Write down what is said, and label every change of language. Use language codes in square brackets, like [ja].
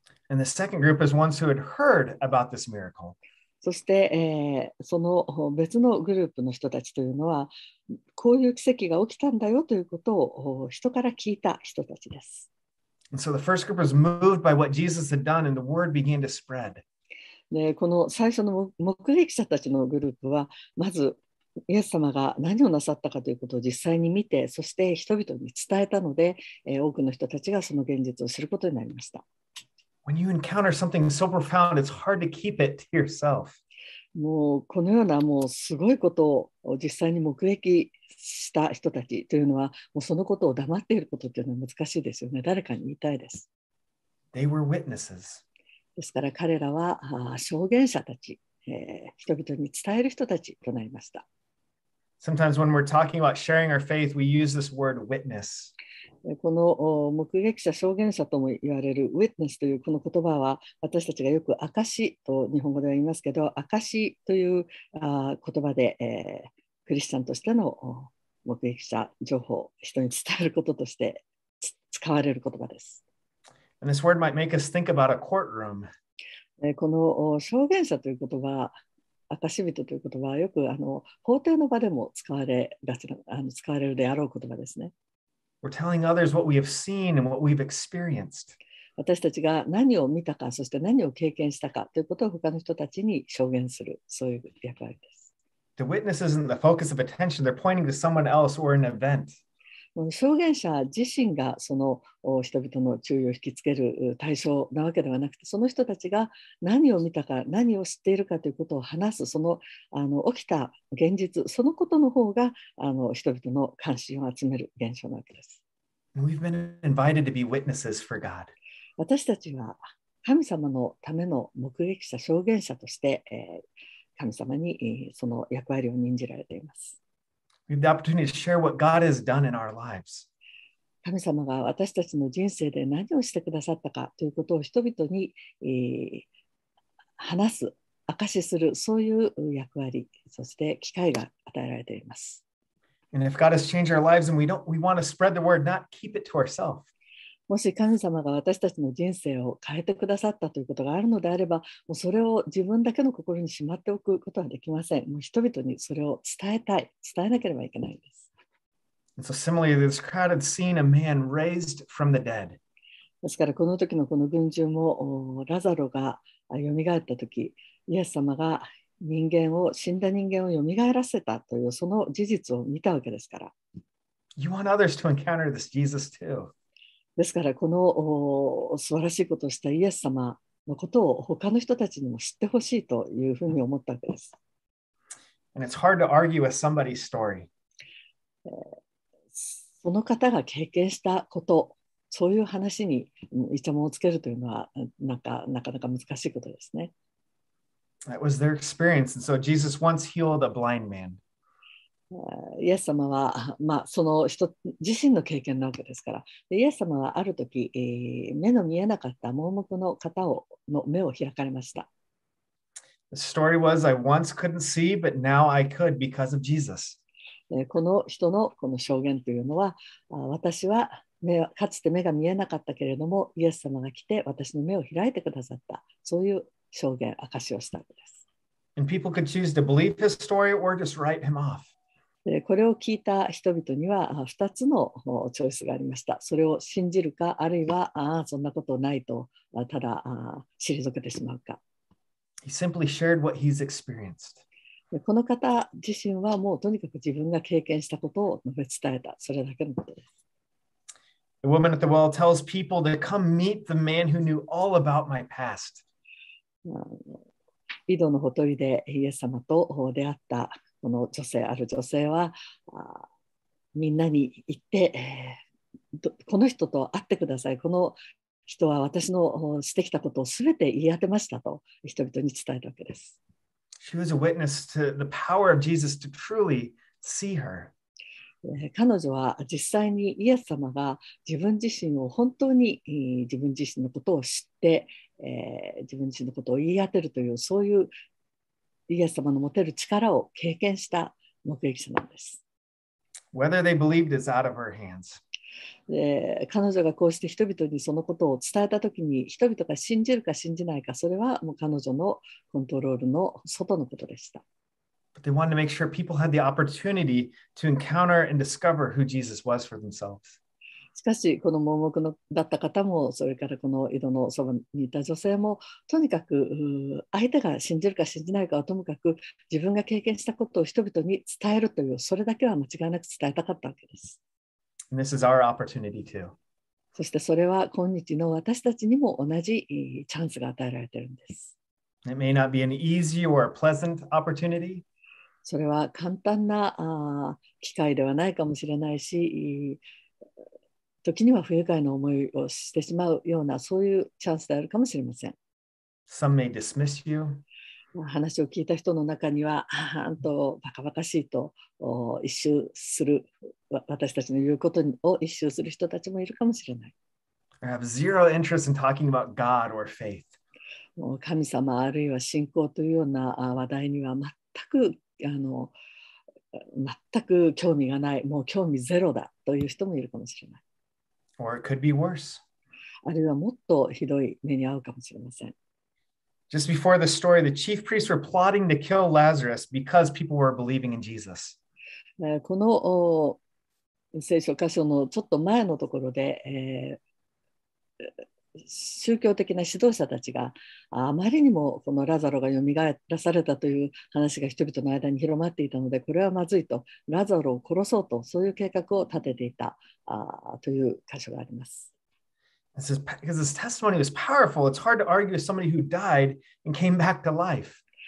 [en] And the second group is ones who had heard about this miracle. [ja] そして、その別のグループの人たちというのは、こういう奇跡が起きたんだよということを人から聞いた人たちです。 [en] And so the first group was moved by what Jesus had done, and the word began to spread. [ja] でこの最初の目撃者たちのグループはまずイエス様が何をなさったかということを実際に見てそして人々に伝えたので、多くの人たちがその現実を知ることになりました。 [en] When you encounter something so profound, it's hard to keep it to yourself. [ja] もうこのようなもうすごいことを実際に目撃した人たちというのは、もうそのことを黙っていることというのは難しいですよね。誰かに言いたいです。 [en] They were witnesses. [ja] ですから彼らは証言者たち、人々に伝える人たちとなりました。 [en] Sometimes when we're talking about sharing our faith, we use this word witness. [ja] この目撃者、証言者とも言われる witness というこの言葉は、私たちがよく証と日本語では言いますけど、証という言葉で、クリスチャンとしての目撃者情報、人に伝えることとして使われる言葉です。 [en] And this word might make us think about a courtroom. [ja] この証言者という言葉、証人という言葉はよく法廷の場でも使われるであろう言葉ですね。 [en] We're telling others what we have seen and what we've experienced. [ja] 私たちが何を見たか、そして何を経験したかということを他の人たちに証言する、そういう役割です。 [en] The witness isn't the focus of attention. They're pointing to someone else or an event. [ja] 証言者自身がその人々の注意を引きつける対象なわけではなくて、その人たちが何を見たか、何を知っているかということを話す、その起きた現実、そのことの方が人々の関心を集める現象なわけです。 [en] We've been invited to be witnesses for God. [ja] 私たちは神様のための目撃者、証言者として、神様にその役割を任じられています。 [en] We have the opportunity to share what God has done in our lives. [ja] 神様が私たちの人生で何をしてくださったかということを人々に話す、証しする、そういう役割、そして機会が与えられています。 [en] And if God has changed our lives, and we want to spread the word, not keep it to ourselves. [ja] もし神様が私たちの人生を変えてくださったということがあるのであれば、もうそれを自分だけの心にしまっておくことはできません。もう人々にそれを伝えたい、伝えなければいけないんです。 [en] And so similarly, this crowd had seen a man raised from the dead. [ja] ですからこの時のこの群衆もラザロが蘇った時、イエス様が人間を死んだ人間を蘇らせたというその事実を見たわけですから。 [en] You want others to encounter this Jesus too. [ja] ですからこの素晴らしいことをしたイエス様のことを他の人たちにも知ってほしいというふうに思ったわけです。 [en] And it's hard to argue with somebody's story. [ja] その方が経験したこと、そういう話にイチャモンをつけるというのはなかなか難しいことですね。 [en] That was their experience. And so Jesus once healed a blind man. [ja] イエス様は、その人自身の経験なわけですから、イエス様はある時、目の見えなかった盲目の方をの目を開かれました。 [en] The story was, I once couldn't see, but now I could because of Jesus. [ja] この人のこの証言というのは、私は目かつて目が見えなかったけれども、イエス様が来て私の目を開いてくださった、そういう証言、証をしたわけです。 [en] And people could choose to believe his story or just write him off. [ja] これを聞いた人々には2つのチョイスがありました。それを信じるか、あるいは、そんなことないと、ただ、退けてしまうか。 [en] He simply shared what he's experienced. [ja] この方自身はもうとにかく自分が経験したことを述べ伝えた。それだけのことです。 [en] The woman at the well tells people to come meet the man who knew all about my past. [ja] 井戸のほとりでイエス様と出会った。この女性ある女性はみんなに言って、この人と会ってください。この人は私のしてきたことをすべて言い当てましたと人々に伝えるわけです。 [en] She was a witness to the power of Jesus to truly see her. [ja] 彼女は実際にイエス様が自分自身を本当に自分自身のことを知って、自分自身のことを言い当てるというそういうイエス様の持てる力を経験した目撃者なんです。 [en] Whether they believed is out of her hands. [ja] 彼女がこうして人々にそのことを伝えたときに、人々が信じるか信じないか、それはもう彼女のコントロールの外のことでした。 [en] But they wanted to make sure people had the opportunity to encounter and discover who Jesus was for themselves. [ja] しかし、この盲目のだった方も、それからこの井戸のそばにいた女性も、とにかく相手が信じるか信じないかはともかく、自分が経験したことを人々に伝えるという、それだけは間違いなく伝えたかったわけです。 [en] And this is our opportunity too. [ja] そしてそれは今日の私たちにも同じチャンスが与えられているんです。 [en] It may not be an easy or pleasant opportunity. [ja] それは簡単な機会ではないかもしれないし、時には不愉快な思いをしてしまうようなそういうチャンスであるかもしれません。 [en] Some may dismiss you. [ja] 話を聞いた人の中には、あんとバカバカしいと一周する、私たちの言うことを一周する人たちもいるかもしれない。 [en] I have zero interest in talking about God or faith. [ja] もう神様あるいは信仰というような話題には全く全く興味がない、もう興味ゼロだという人もいるかもしれない。 [en] Or it could be worse. [ja] あるいはもっとひどい目に遭うかもしれません。 [en] Just before the story, the chief priests were plotting to kill Lazarus because people were believing in Jesus. [ja] この聖書箇所のちょっと前のところで、宗教的な指導者たちがあまりにもこのラザロがよみがえらされたという話が人々の間に広まっていたので、これはまずいと、ラザロを殺そうと、そういう計画を立てていたという箇所があります。 [en] Because his testimony was powerful, it's hard to argue with somebody who died and came back to life.